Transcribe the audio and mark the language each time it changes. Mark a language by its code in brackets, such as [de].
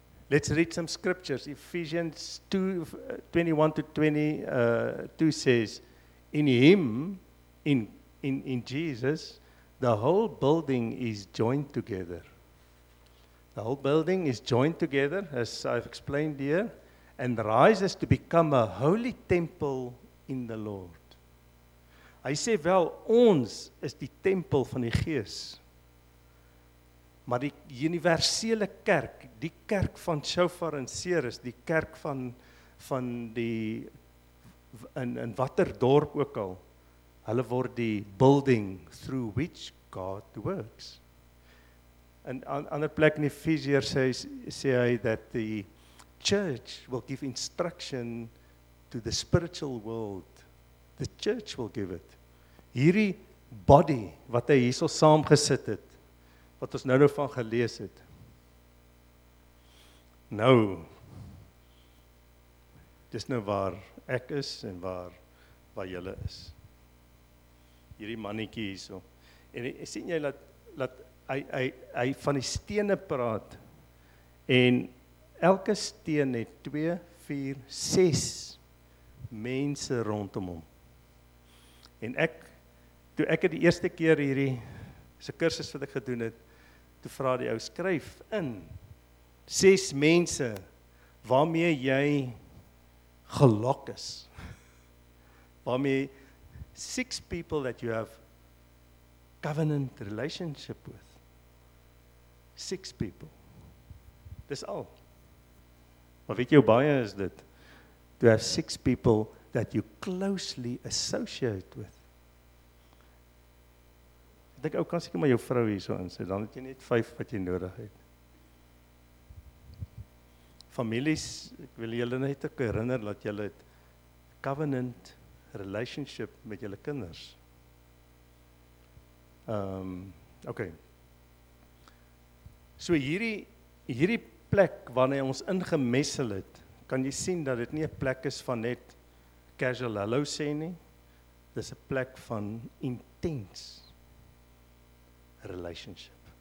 [en] Let's read some scriptures. Ephesians 2:21-22 says, in him, in Jesus, the whole building is joined together. The whole building is joined together, as I've explained here, and rises to become a holy temple in the Lord. [af] Hy sê wel, ons is die tempel van die Gees. Maar die universele kerk, die kerk van Shofar en Ceres, die kerk van die, in watter dorp ook al, hulle word die [en] building through which God works. [af] En ander plek in Efesiërs sê hy dat die [en] church will give instruction to the spiritual world. The church will give it. [af] Hierdie body wat hy hierso saamgesit het, wat ons nou van gelees het. Nou, dis nou waar ek is en waar julle is. Hierdie mannetjie hierso. En sien jy dat hy van die stene praat, en elke steen het 2, 4, 6 mense rondom hom. En ek, toe ek het die eerste keer hierdie se kursus wat ek gedoen het, toe vraag die ou, skryf in 6 mense waarmee jy gelok is. Waarmee [en] 6 people that you have covenant relationship with. 6 people. [af] Dis al. Maar weet jy hoe baie is dit? [en] To have 6 people that you closely associate with. [af] Dink ou, kan seker maar jou vrou hierso insit, dan het jy net 5 wat jy nodig het. Families, ek wil julle net ook herinner dat julle het [en] covenant relationship [af] met julle kinders. [en] Okay. [af] So hierdie plek waarna ons ingemessel het, kan jy sien dat dit nie 'n plek is van net casual hello sê nie. Dis 'n plek van intense relationship.